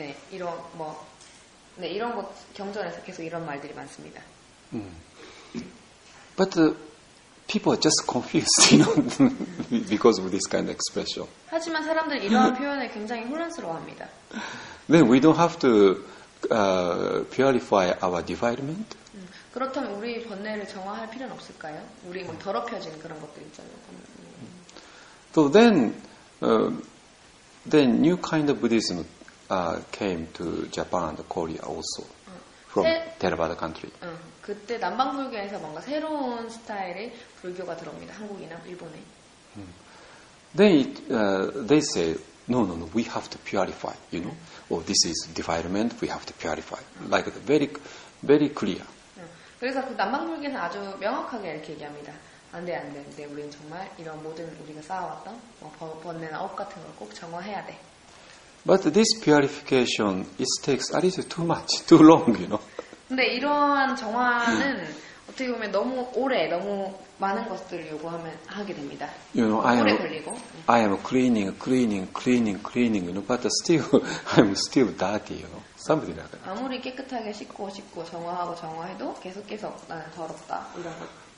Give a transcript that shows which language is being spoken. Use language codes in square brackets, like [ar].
[ko] 이러한 이런 것 경전에서 계속 이런 말들이 많습니다. [en] But people are just confused, you know, because of this kind of expression. [ko] 하지만 사람들 이러한 표현에 굉장히 혼란스러워합니다. [en] Then we don't have to purify our defilement. [ko] 그렇다면 우리 번뇌를 정화할 필요는 없을까요? 우리 뭐 더럽혀진 그런 것들 있잖아요. [en] So then new kind of Buddhism came to Japan and Korea also from Theravada country. [ko] 그때 남방 불교에서 뭔가 새로운 스타일의 불교가 들어옵니다. 한국이나 일본에. [en] Then they say, no, we have to purify, you know? Oh, this is defilement, we have to purify. Like the very, very clear. [ko] 그래서 그 남방 불교는 아주 명확하게 이렇게 얘기합니다. 안 돼. 근데 우리는 정말 이런 모든 우리가 쌓아왔던 번뇌나 업 같은 걸 꼭 정화해야 돼. [en] But this purification, it takes a little too much, too long, you know? [ko] 근데 이러한 정화는 어떻게 보면 너무 오래, 너무 많은 것들을 요구하면 하게 됩니다. [en] You know, [ko] 오래 걸리고. [en] I am cleaning, you know, but still, I'm still dirty, you know. Somebody like that. [ko] 아무리 깨끗하게 씻고 정화하고 정화해도 계속 나는 더럽다, 이런 것.